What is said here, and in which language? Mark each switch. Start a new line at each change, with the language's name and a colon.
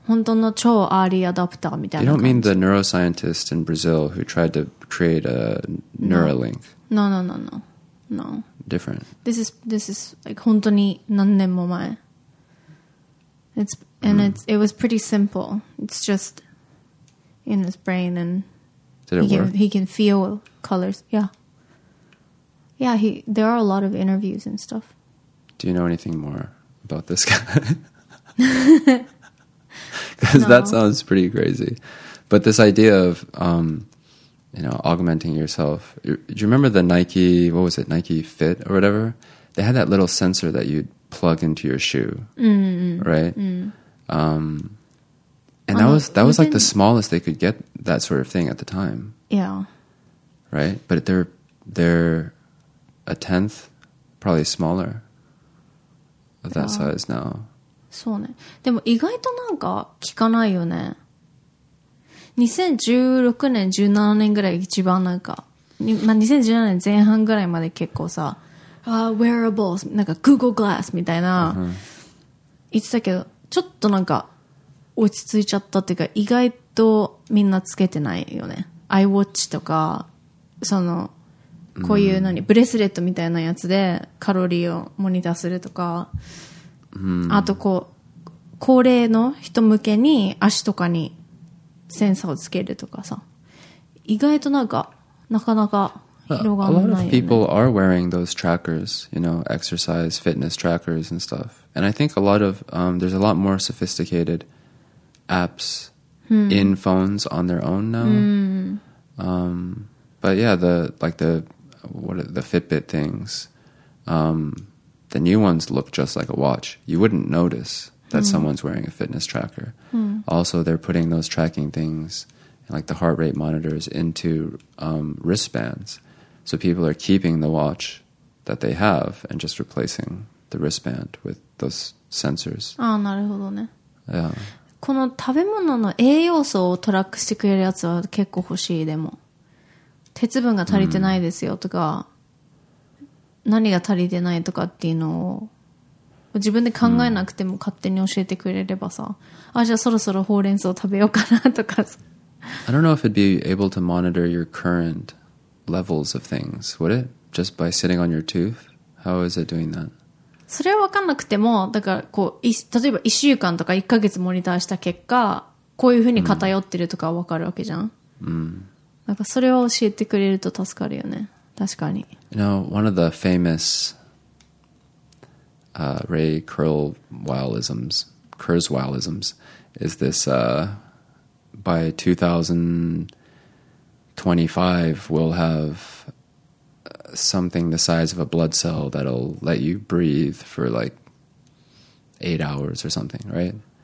Japanese: 本当の超アーリーアダプターみたいな感じ。
English: You don't mean the neuroscientist in Brazil who tried to create a Neuralink? No. Different. This is like
Japanese: 本当に何年も前.
English: It was pretty simple. It's just in his brain, and Did it work? He can feel colors. Yeah. Yeah, there are a lot of interviews and stuff. Do you know anything more about this guy? Because that sounds pretty crazy. But this idea of augmenting yourself. Do you remember the Nike, what was it, Nike Fit or whatever? They had that little sensor that you'd plug into your shoe, mm-hmm. right? Mm. And that was like the smallest they could get, that sort of thing at the time. Yeah. Right? But they're a tenth, probably smaller of that size now.
Japanese: そうね。でも意外となんか聞かないよね。 2016年、17年ぐらい一番なんか、まあ、2017年前半ぐらいまで結構さ、wearables、なんか Google Glass みたいな、 uh-huh. 言ってたけど、ちょっとなんか落ち着いちゃったっていうか、意外とみんなつけてないよね。 iWatch とか、その、こういう何、ブレスレットみたいなやつでカロリーをモニターするとか、うん、あとこう高齢の人向けに足とかにセンサーをつけるとかさ、意外となんかなかなか広がらないよね。
English: A lot of people are wearing those trackers, you know, exercise fitness trackers and stuff. And I think a lot of there's a lot more sophisticated apps in phones on their own now. But yeah, the Fitbit things. The new ones look just like a watch. You wouldn't notice that someone's wearing a fitness tracker. Also, they're putting those tracking things, like the heart rate monitors, into wristbands. So people are keeping the watch that they have and just replacing the wristband with those sensors.
Japanese: ああ、なるほどね。
English: Yeah.
Japanese: この食べ物の栄養素をトラックしてくれるやつは結構欲しい、でも。鉄分が足りてないですよとか。何が足りてないとかっていうのを自分で考えなくても勝手に教えてくれればさ、じゃあそろそろほうれん草を食べようかなとか。
English: I don't know if it'd be able to monitor your current levels of things, would it? Just by sitting on your tooth? How is it doing that?
Japanese: それは分かんなくても、だからこう、例えば1週間とか1ヶ月モニターした結果、こういうふうに偏ってるとか分かるわけじゃん。なんかそれは教えてくれると助かるよね。確かに。
English: You know, one of the famous Ray Kurzweilisms is this by 2025 we'll have something the size of a blood cell that'll let you breathe for like 8 hours or something, right?